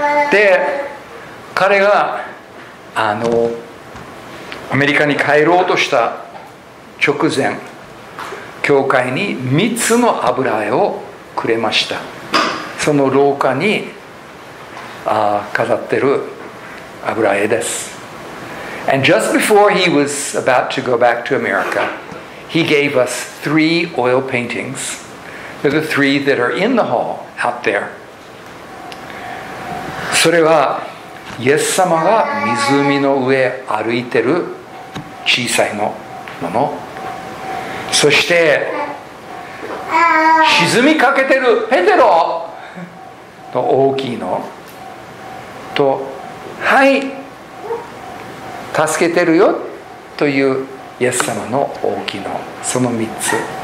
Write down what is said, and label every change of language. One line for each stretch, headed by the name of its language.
Japanese: で、彼がアメリカに帰ろうとした直前、教会に3つの油絵をくれました。その廊下に飾ってる油絵です。
English: And just before he was about to go back to America, he gave us 3 oil paintings. They're the 3 that are in the hall out there.
Japanese: それはイエス様が湖の上歩いてる小さいのもの、そして沈みかけてるペテロの大きいのと、はい助けてるよというイエス様の大きいの、その3つ。